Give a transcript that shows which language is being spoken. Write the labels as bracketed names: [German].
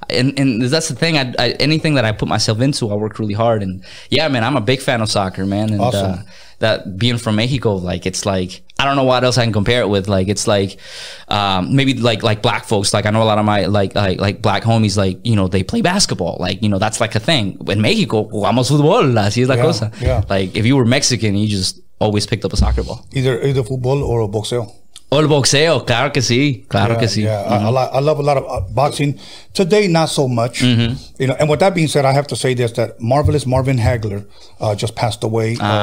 [English] And that's the thing. I anything that I put myself into, I worked really hard. And, yeah, man, I'm a big fan of soccer, man. And, awesome. That being from Mexico, like, it's like, I don't know what else I can compare it with. Like, it's like, maybe like black folks. Like, I know a lot of my like black homies, like, you know, they play basketball. Like, you know, that's like a thing. [Spanish] In Mexico, jugamos fútbol, así es la cosa. [English] Yeah. Like, if you were Mexican, you just always picked up a soccer ball. Either football or a boxeo. [Spanish] El boxeo, claro que sí, claro [English] yeah, [Spanish] que sí. [English] Yeah, mm-hmm. I love a lot of boxing. Today, not so much. Mm-hmm. You know, and with that being said, I have to say this, that Marvelous Marvin Hagler just passed away.